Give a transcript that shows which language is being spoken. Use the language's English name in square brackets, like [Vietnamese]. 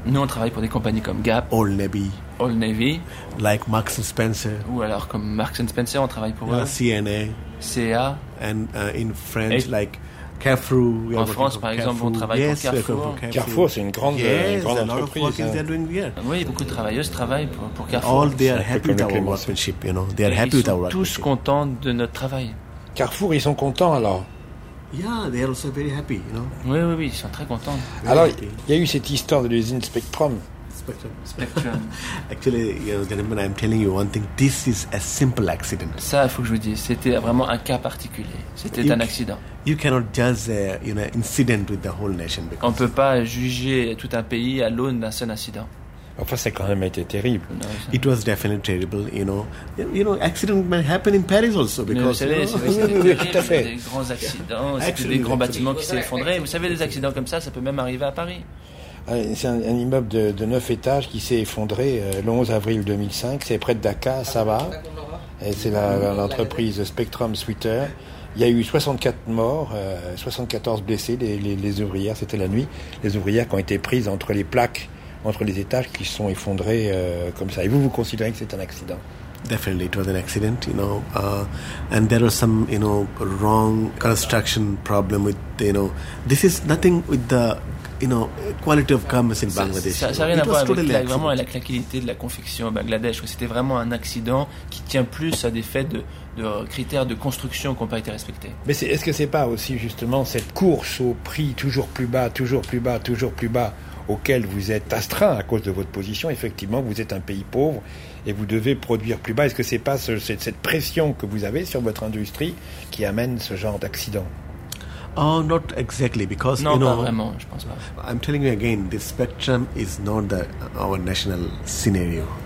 [French] Nous, on travaille pour des compagnies comme Gap, [English] Old Navy, like Marks & Spencer. [French] Ou alors comme Marks & Spencer, on travaille pour CNA, CA, [English] and in France like Carrefour. [French] En France, par exemple, on travaille pour Carrefour. Carrefour, c'est une grande, grande entreprise. Oui, beaucoup de travailleuses travaillent pour Carrefour. [English] All they are happy with our workmanship, you know. They are happy with our [French] workmanship. Ils sont tous contents de notre travail. Carrefour, ils sont contents alors. [English] Yeah, they are also very happy, you know. [French] Oui, ils sont très contents. Alors, il y a eu cette histoire de l'usine Spectrum. [English] Actually, you know, gentlemen, I'm telling you one thing. This is a simple accident. [French] Ça, faut que je vous dise, c'était vraiment un cas particulier. C'était un accident. [English] You cannot judge, you know, incident with the whole nation. [French] On peut pas juger tout un pays à l'aune d'un seul incident. Enfin, ça a quand même été terrible. [English] It was definitely terrible, you know. You know, accident may happen in Paris also because. [French] Mais vous savez, c'était des grands accidents, c'était des grands bâtiments qui s'effondraient. Vous savez, des accidents comme ça, ça peut même arriver à Paris. C'est un immeuble de 9 étages qui s'est effondré le 11 avril 2005. C'est près de Dakar, Sabah. Et c'est l'entreprise Spectrum Sweater. Il y a eu 64 morts, 74 blessés, les ouvrières, c'était la nuit. Les ouvrières qui ont été prises entre les plaques, entre les étages qui se sont effondrées comme ça. Et vous considérez que c'est un accident? [English] Definitely, it was an accident, you know. And there was some, you know, wrong construction problem with, you know. This is nothing with the, you know, quality of commerce in Bangladesh. [French] Ça n'a rien à voir avec la qualité de la confection au Bangladesh. C'était vraiment un accident qui tient plus à des faits de critères de construction qui n'ont pas été respectés. Mais est-ce que ce n'est pas aussi justement cette course au prix toujours plus bas, toujours plus bas, toujours plus bas, auquel vous êtes astreint à cause de votre position? Effectivement, vous êtes un pays pauvre et vous devez produire plus bas. Est-ce que ce n'est pas cette pression que vous avez sur votre industrie qui amène ce genre d'accident? [English] Oh, not exactly, because [French] non, [English] you know. [French] Non, pas vraiment, je pense pas. [English] I'm telling you again, this spectrum is not our national scenario.